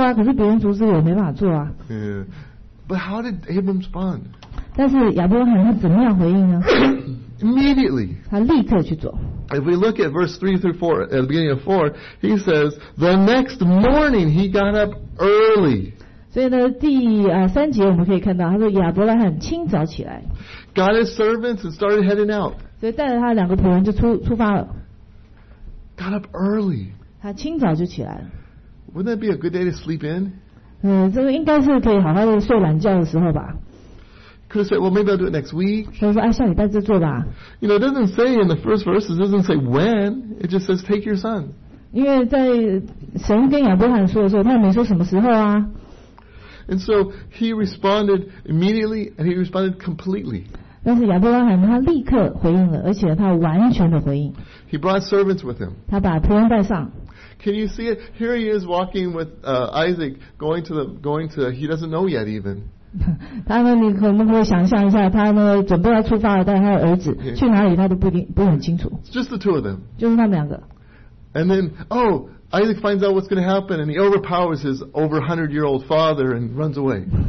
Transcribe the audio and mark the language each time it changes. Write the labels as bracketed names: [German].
[Chinese] 所以呢,你可以做一个呢,好像是被动主动的方式来做。也就是说呢,你就好像要做的样子,然后到处跟人家讲你要做,等着人家来阻止你。那你就说,哦,我想要做啊,可是别人阻止我,没办法做啊。 [English] But how did Abram respond? [Chinese] 但是亚伯拉罕他怎么样回应呢? [English] Immediately. [Chinese] 他立刻去做。 [English] If we look at verse 3 through 4, at the beginning of 4, he says, the next morning he got up early. [Chinese] 所以呢,第三节我们可以看到,他说亚伯拉罕清早起来, [English] got his servants and started heading out. [Chinese] 所以带着他两个仆人就出发了, [English] got up early. [Chinese] 他清早就起来, [English] wouldn't that be a good day to sleep in? [Chinese] 这个应该是可以好好的睡懒觉的时候吧。 [English] Could have said, well, maybe I'll do it next week. [Chinese] 所以说,下礼拜再做吧。 [English] You know, it doesn't say in the first verse, it doesn't say when, it just says take your son. [Chinese] 因为在神跟亚伯拉罕说的时候,他没说什么时候啊。 [English] And so he responded immediately and he responded completely. [Chinese] 但是亚伯拉罕他立刻回应了,而且他完全的回应。 [English] He brought servants with him. [Chinese] 他把仆人带上。 [English] Can you see it? Here he is walking with Isaac going to he doesn't know yet even. [Chinese] 他呢,你可不可以想象一下,他呢,准备要出发了,带他的儿子,去哪里他都不很清楚。 [English] Just the two of them. [Chinese] 就是他们两个。 [English] And then, oh, Isaac finds out what's going to happen and he overpowers his over 100-year-old father and runs away.